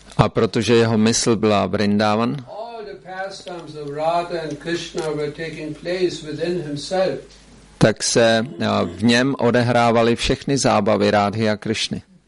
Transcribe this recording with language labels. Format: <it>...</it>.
<cs>A protože jeho mysl byla Vrindavan.</cs> <en>All the pastimes of Radha and Krishna were taking place within himself.</en> <cs>Tak se v něm odehrávaly všechny zábavy Rádhy a Krishny.</cs>